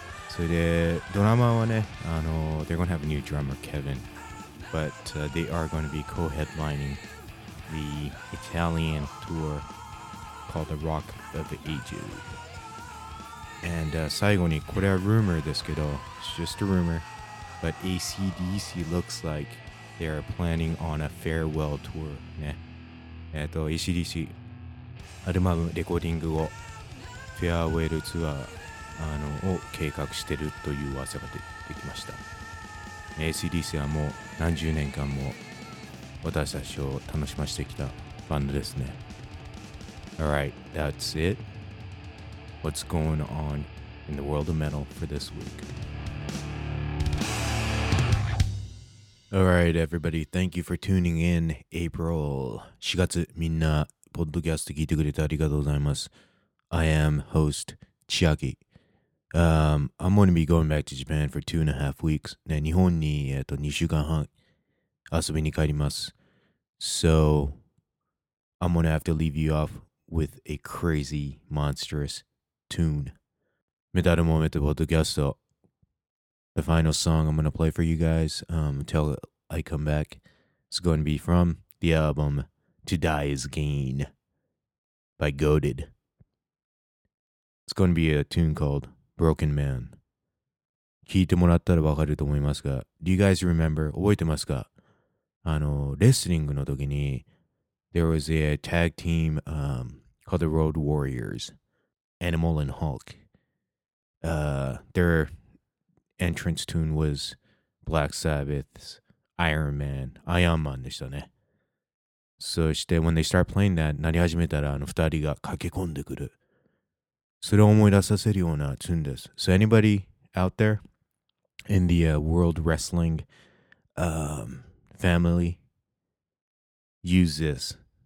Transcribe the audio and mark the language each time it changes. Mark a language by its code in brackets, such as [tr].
[ja] それでドラマはね、 [en] they're gonna have a new drummer, Kevin, but、they are going to be co-headlining the Italian tour called the Rock of the Ages. And、 [ja] 最後にこれは [en] rumor [ja] ですけど、 [en] it's just a rumor, but AC/DC looks like they are planning on a farewell tour. [ja] ね、AC/DC アルバムレコーディングをフェアウェルツアーを計画してるという噂が出てきました。 ACDC はもう何十年間も私たちを楽しませてきたバンドですね。 [en] Alright, that's it. What's going on in the world of metal for this week? Alright, everybody, thank you for tuning in, April. [ja] 4月、みんな、ポッドキャスト聞いてくれてありがとうございます。 [en] I am host, Chiaki. I'm going to be going back to Japan for 2.5 weeks. [ja] ね、日本に、2週間半遊びに帰ります。 [en] So, I'm going to have to leave you off with a crazy, monstrous tune. [ja] メタルモメントポッドキャスト。 [en] The final song I'm going to play for you guys until I come back is going to be from the album To Die Is Gain by Goad-ed. It's going to be a tune called Broken Man. [ja] 聞いてもらったらわかると思いますが、 [en] Do you guys remember? [ja] 覚えてますか? あの、レスリングの時に、 [en] There was a tag team called the Road Warriors, Animal and Hulk. Their entrance tune was Black Sabbath's Iron Man, Iron Man [ja] でしたね。そして、 [en] when they start playing that, [ja] 鳴り始めたら、あの、二人が駆け込んでくる。それを思い出させるようなツンです。 [en] So anybody out there in the world wrestling family, use this.